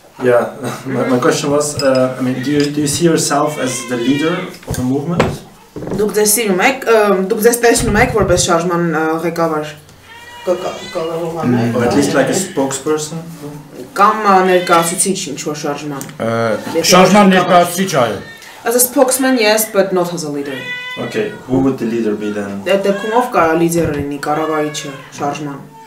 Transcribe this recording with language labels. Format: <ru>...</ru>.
<en>Yeah, my question was, I mean, do you see yourself as the leader of a movement?</en> <hy>Դուք ձեզ սիրում եք, դուք ձեզ տեսնում եք որպես շարժման ղեկավար։ Կկարողանա,</hy> <en>at least like a spokesperson,</en> <hy>կամ ներկայացուցիչ ինչ-որ շարժման։ Շարժման ներկայացուցիչ այո։</hy> <en>As a spokesman, yes, but not as a leader. Okay, who would the leader be then?</en> <hy>Դա կումով կարա լիդերը լինի, կառավարիչը շարժման։</hy>